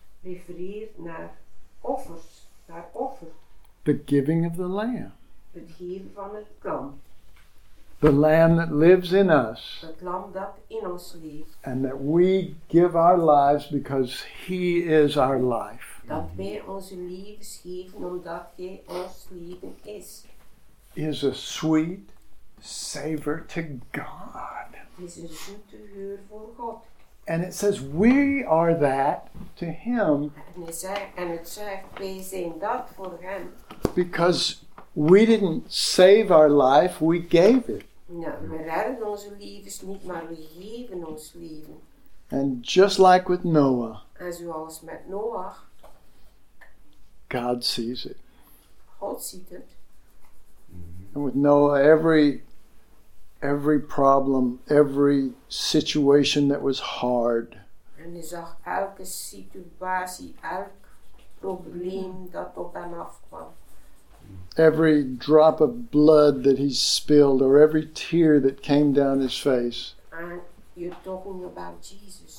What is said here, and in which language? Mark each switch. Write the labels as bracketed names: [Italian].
[Dutch] Refereert naar offers, naar offer. [English] The giving of the lamb. [Dutch] Het geven van het lam. [English] The lamb that lives in us. [Dutch] Het lam dat in ons leeft. [English] And that we give our lives because he is our life. [Dutch] Dat wij onze levens geven omdat hij ons leven is. [English] Is a sweet savor to God. [Dutch] Is een zoete geur voor God. [English] And it says we are that to him. And it says [Dutch] we zijn dat voor hem. [English] Because we didn't save our life, we gave it. [Dutch] Ja, we redden onze levens niet, maar we geven ons leven. [English] And just like with Noah. [Dutch] En zoals met Noah. [English] God sees it. [Dutch] God ziet het. [English] And with Noah, every problem, every situation that was hard. [Dutch] En hij zag elke situatie, elk probleem dat op hem afkwam. [English] Every drop of blood that he spilled, or every tear that came down his face. And you're talking about Jesus.